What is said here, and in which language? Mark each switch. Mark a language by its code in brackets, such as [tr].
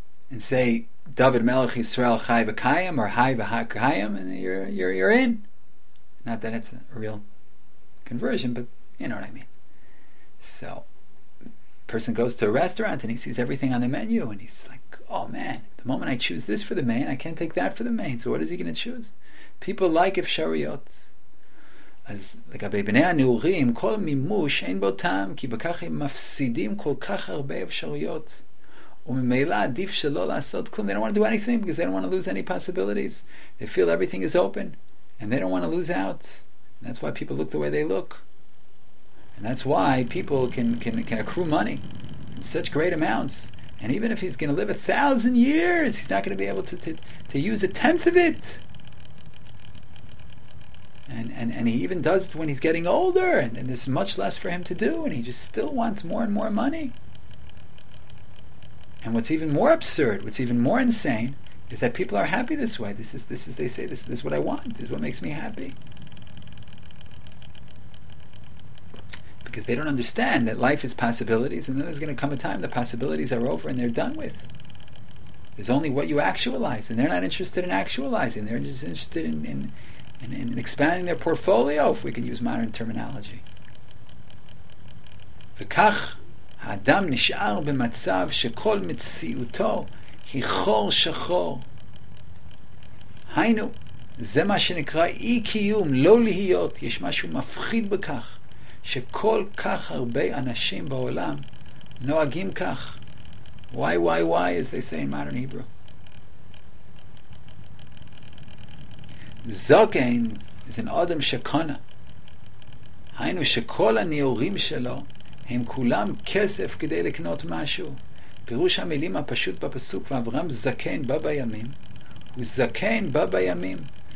[en] and say [he] David Melech Yisrael Chai V'Kayim [en] or Chai V'Hakayim, and you're in. Not that it's a real conversion, but you know what I mean. So person goes to a restaurant and he sees everything on the menu and he's like, oh man, the moment I choose this for the main, I can't take that for the main. So what is he going to choose? People like Efshariot. [he] אז לגבי בני הנאורים, כל מימוש אין בו טעם, כי בכך הם מפסידים כל כך הרבה אפשרויות. וממילא עדיף שלא לעשות כלום. [en] They don't want to do anything because they don't want to lose any possibilities. They feel everything is open. And they don't want to lose out. And that's why people look the way they look. And that's why people can accrue money in such great amounts. And even if he's going to live 1,000 years, he's not going to be able to use a tenth of it. And he even does it when he's getting older, and there's much less for him to do, and he just still wants more and more money. And what's even more absurd, what's even more insane, is that people are happy this way. This is they say, this is what I want, this is what makes me happy. Because they don't understand that life is possibilities, and then there's going to come a time the possibilities are over and they're done with. There's only what you actualize, and they're not interested in actualizing, they're just interested in expanding their portfolio, if we can use modern terminology. [he] וכך האדם נשאר במצב שכל מציאותו היא חור שחור. היינו, זה מה שנקרא אי קיום, לא להיות. יש משהו מפחיד בכך שכל כך הרבה אנשים בעולם נוהגים כך. [en] Why, as they say in modern Hebrew. [he] זוקן [en] is an [he] אדם שקונה. היינו שכל הנאורים שלו הם כולם כסף כדי לקנות משהו. פירוש המילים הפשוט בפסוק ואברהם זקן בא בימים, הוא זקן בא בימים.